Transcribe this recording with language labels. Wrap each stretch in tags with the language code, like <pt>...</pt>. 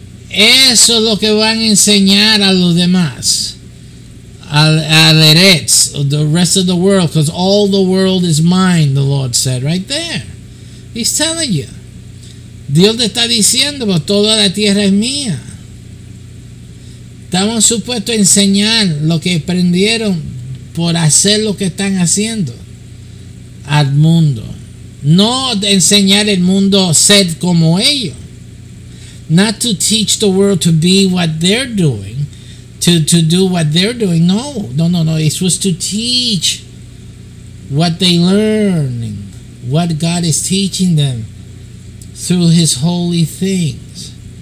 <es>Eso es lo que van a enseñar a los demás.</es> <en>Al Eretz, the rest of the world. Because all the world is mine, the Lord said right there. He's telling you.</en> <es>Dios te está diciendo, pues toda la tierra es mía. Estamos supuestos a enseñar lo que aprendieron por hacer lo que están haciendo. Al mundo. No enseñar el mundo a ser como ellos.</es> <en>Not to teach the world to be what they're doing. To do what they're doing. No, no, no, no. It was to teach what they learning. What God is teaching them through his holy things.</en>